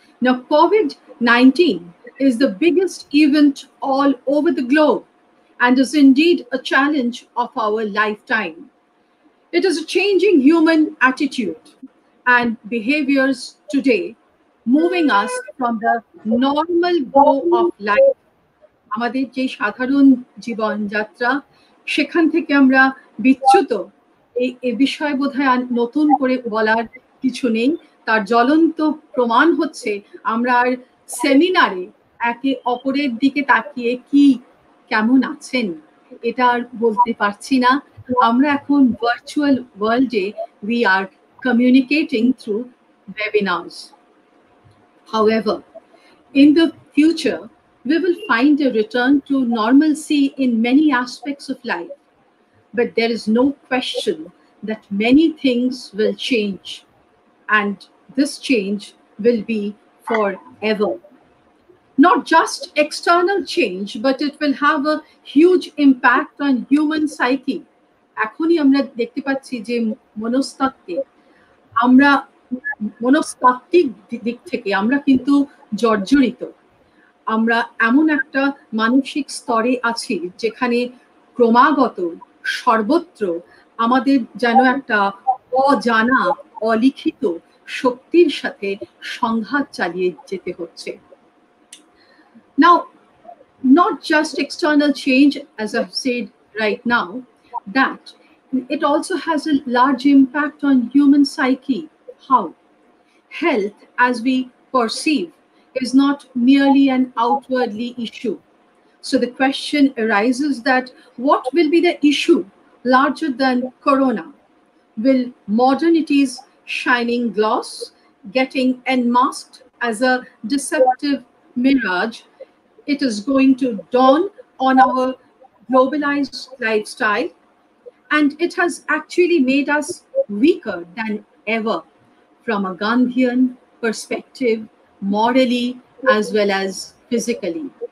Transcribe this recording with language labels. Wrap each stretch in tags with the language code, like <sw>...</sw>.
<en>Now, COVID-19 is the biggest event all over the globe and is indeed a challenge of our lifetime. It is a changing human attitude and behaviors today, moving us from the normal goal of life.</en> <bn>আমাদের যে সাধারণ জীবনযাত্রা সেখান থেকে আমরা বিচ্যুত এই বিষয় বোধহয় নতুন করে বলার কিছু নেই তার জ্বলন্ত প্রমাণ হচ্ছে আমরা আর সেমিনারে একে অপরের দিকে তাকিয়ে কি কেমন আছেন এটা আর বলতে পারছি না আমরা এখন ভার্চুয়াল ওয়ার্ল্ডে</bn> <en>We are communicating through webinars however in the future We will find a return to normalcy in many aspects of life. But there is no question that many things will change. And this change will be forever. Not just external change, but it will have a huge impact on human psyche.</en> <bn>এখনই আমরা দেখতে পাচ্ছি যে মনস্তাত্ত্বে আমরা মনস্তাত্ত্বিক দিক থেকে আমরা কিন্তু জর্জরিত আমরা এমন একটা মানসিক স্তরে আছি যেখানে ক্রমাগত সর্বত্র আমাদের যেন একটা অজানা অলিখিত শক্তির সাথে সংঘাত চালিয়ে যেতে হচ্ছে</bn> <en>Now not just external change as I said right now that it also has a large impact on human psyche how health as we perceive is not merely an outwardly issue. So the question arises that what will be the issue larger than corona? Will modernity's shining gloss getting unmasked as a deceptive mirage? It is going to dawn on our globalized lifestyle and it has actually made us weaker than ever from a Gandhian perspective morally as well as physically.</en>